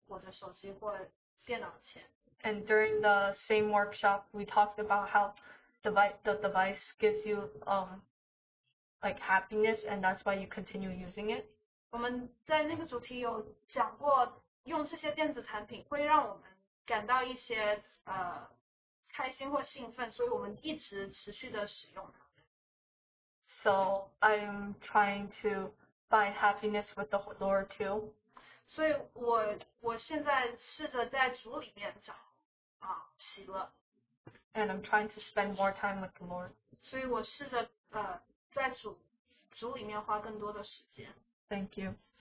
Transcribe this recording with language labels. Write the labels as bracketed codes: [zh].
[zh] 然后我就问我自己，我为什么想要花这么多时间在我的手机或电脑前？ [en] And during the same workshop, we talked about how the device gives you like happiness, and that's why you continue using it. [zh] 我们在那个主题有讲过，用这些电子产品会让我们感到一些 开心或兴奋，所以我们一直持续的使用。 [en] So I'm trying to find happiness with the Lord too. [zh] 所以我现在试着在主里面找喜乐。 [en] And I'm trying to spend more time with the Lord. [zh] 所以我试着在主里面花更多的时间。 [en] Thank you.